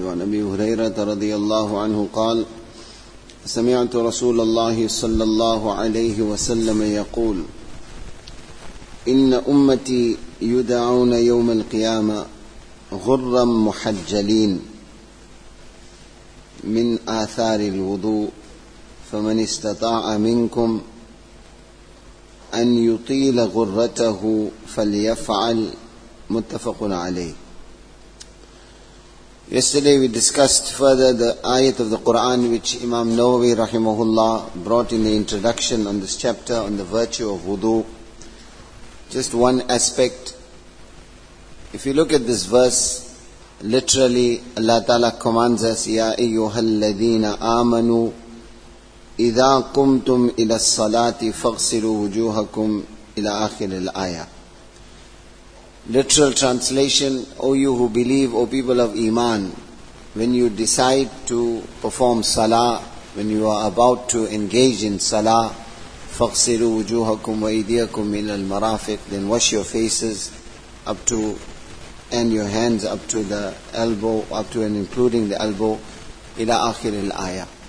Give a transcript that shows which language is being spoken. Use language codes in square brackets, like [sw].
[ar] وعن أبي هريرة رضي الله عنه قال: سمعت رسول الله صلى الله عليه وسلم يقول: إن أمتي يدعون يوم القيامة غرا محجلين من آثار الوضوء، فمن استطاع منكم أن يطيل غرته فليفعل. متفق عليه. [en] Yesterday we discussed further the ayat of the Quran which Imam Nawawi rahimahullah brought in the introduction on this chapter on the virtue of wudu. Just one aspect. If you look at this verse, literally Allah Ta'ala commands us, [ar] يَا أَيُّهَا الَّذِينَ آمَنُوا إِذَا قُمْتُمْ إِلَى الصَّلَاةِ فَغْسِلُوا وُجُوهَكُمْ إِلَى آخِرِ الْآيَةِ. [en] Literal translation, O you who believe, O people of Iman, when you decide to perform Salah, when you are about to engage in Salah, [ar] فَغْسِلُوا وُجُوهَكُمْ وَإِذِيَكُمْ إِلَى الْمَرَافِقِ, [en] then wash your faces up to, and your hands up to the elbow, up to and including the elbow, [ar] إِلَى آخِرِ الْآيَةِ.